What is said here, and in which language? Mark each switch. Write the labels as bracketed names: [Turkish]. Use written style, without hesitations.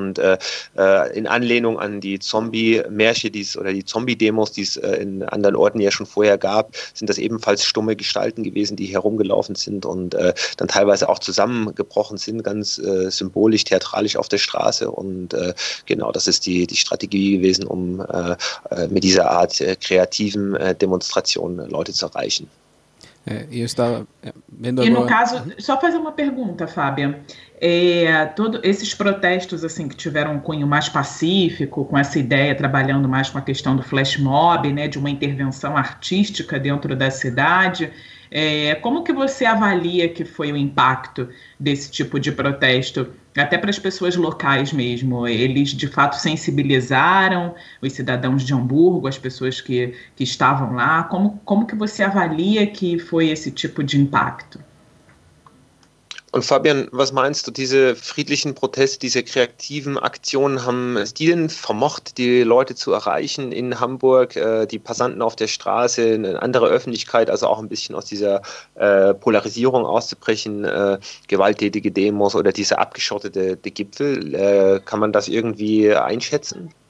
[German] Und in Anlehnung an die Zombie-Märsche oder die Zombie-Demos, die es in anderen Orten ja schon vorher gab, sind das ebenfalls stumme Gestalten gewesen, die herumgelaufen sind und dann teilweise auch zusammengebrochen sind, ganz symbolisch, theatralisch auf der Straße. Und genau, das ist die Strategie gewesen, um mit dieser Art kreativen Demonstrationen Leute zu erreichen. [Portuguese] Caso, só fazer uma pergunta, Fábia. Todos esses protestos assim, que tiveram um cunho mais pacífico, com essa ideia, trabalhando mais com a questão do flash mob, né, de uma intervenção artística dentro da cidade, como que você avalia que foi o impacto desse tipo de protesto? Até para as pessoas locais mesmo, eles de fato sensibilizaram os cidadãos de Hamburgo, as pessoas que estavam lá. Como que você avalia que foi esse tipo de impacto? [German] Und Fabian, was meinst du, diese friedlichen Proteste, diese kreativen Aktionen, haben es die denn vermocht, die Leute zu erreichen in Hamburg, die Passanten auf der Straße, eine andere Öffentlichkeit, also auch ein bisschen aus dieser Polarisierung auszubrechen, gewalttätige Demos oder diese abgeschottete Gipfel, kann man das irgendwie einschätzen?